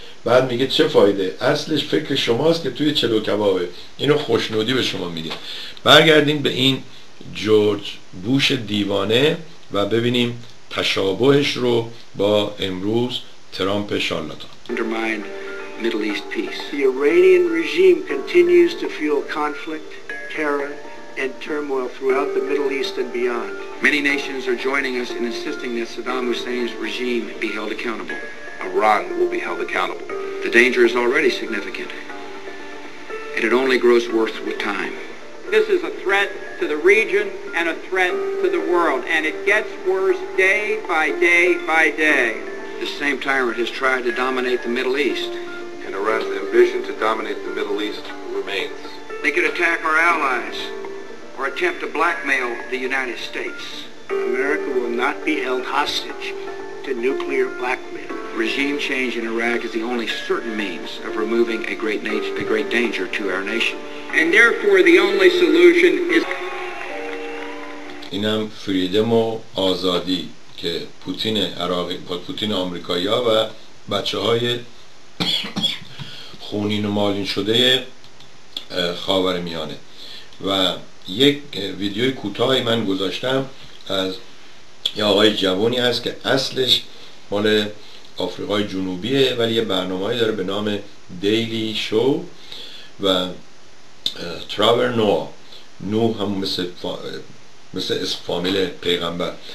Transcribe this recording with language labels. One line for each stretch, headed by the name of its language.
Persian: بعد میگه چه فایده، اصلش فکر شماست که توی چلو کبابه. اینو خوشنودی به شما میگه. برگردیم به این جورج بوش دیوانه و ببینیم تشابهش رو با امروز ترامپ شارلاتان.
English: Undermined Middle East peace. The Iranian regime continues to fuel conflict, terror and turmoil throughout the Middle East and beyond. Many nations are joining us in insisting that Saddam Hussein's regime be held accountable. Iran will be held accountable. The danger is already significant, and it only grows worse with time. This is a threat to the region and a threat to the world, and it gets worse day by day by day. The same tyrant has tried to dominate the Middle East. And Iran's ambition to dominate the Middle East remains. They could attack our allies or attempt to blackmail the United States. America will not be held hostage to nuclear blackmail. Regime change in Iraq is the only certain means of removing a great danger to our nation. And therefore the only solution is...
Persian: اینم فریدم و آزادی که پوتین عراق با پوتین آمریکایی‌ها و بچه‌های خونین و مالین شده خاورمیانه. و یک ویدیوی کوتاهی من گذاشتم از یه آقای جوانی هست که اصلش مال آفریقای جنوبیه ولی یه برنامه‌ای داره به نام دیلی شو و تراور نوا، نو هم مثل فامیل پیغمبر.